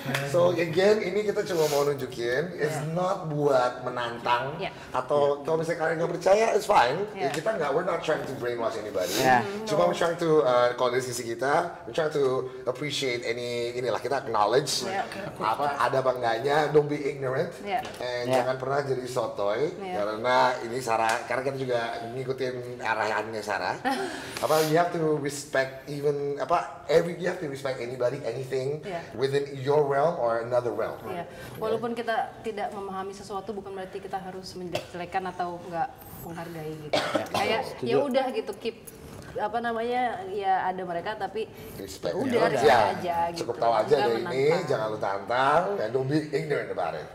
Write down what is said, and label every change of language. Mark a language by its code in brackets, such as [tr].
[id] So again, ini kita cuma mau nunjukin it's not buat menantang atau kalau misalnya kalian enggak percaya, it's fine. [en] Yeah. Kita enggak we're not trying to brainwash anybody. Yeah. Cuma we're trying to call this sisi kita, we're trying to appreciate any inilah kita acknowledge apa ada bangganya, don't be ignorant. Yeah. [id] And jangan pernah jadi sotoy karena ini Sara karena kita juga ngikutin arahannya Sara. [en] Apa you have to respect even apa every you have to respect anybody anything within your realm or another realm. [id] Iya. Walaupun kita tidak memahami sesuatu bukan berarti kita harus menjelekkan atau enggak menghargai gitu. Kayak ya udah gitu keep apa namanya ya ada mereka tapi [en] respect [id] udah aja gitu. Cukup tahu aja deh ini jangan lu tantang dan don't be ignorant about it.